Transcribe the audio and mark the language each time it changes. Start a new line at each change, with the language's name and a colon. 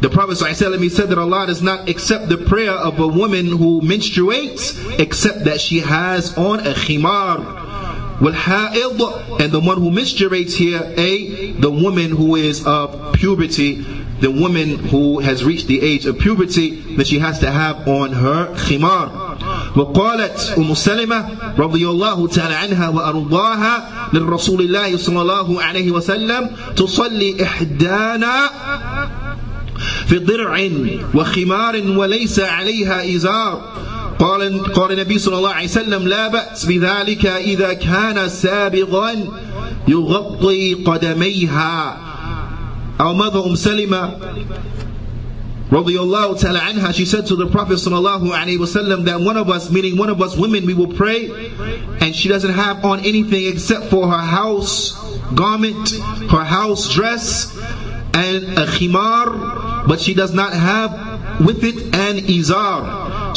English: The Prophet ﷺ, he said that Allah does not accept the prayer of a woman who menstruates except that she has on a khimar. والحائض, and the one who menstruates here, A, the woman who is of puberty, the woman who has reached the age of puberty, that she has to have on her khimar.
Arabic: وقالت أم سلمة رضي الله تعالى عنها وأرضاها للرسول الله صلى الله عليه وسلم تصلي إحدانا في ضرع وخمار وليس عليها إزار. قال النبي صلى الله عليه وسلم لا بأس بذلك إذا كان سابغا يغطي قدميها.
English: Our mother Umm Salima
Arabic: رضي الله تعالى عنها,
English: she said to the Prophet
Arabic: صلى الله عليه وسلم
English: that one of us, meaning one of us women, we will pray and she doesn't have on anything except for her house garment, her house dress, and a khimar, but she does not have with it an izar.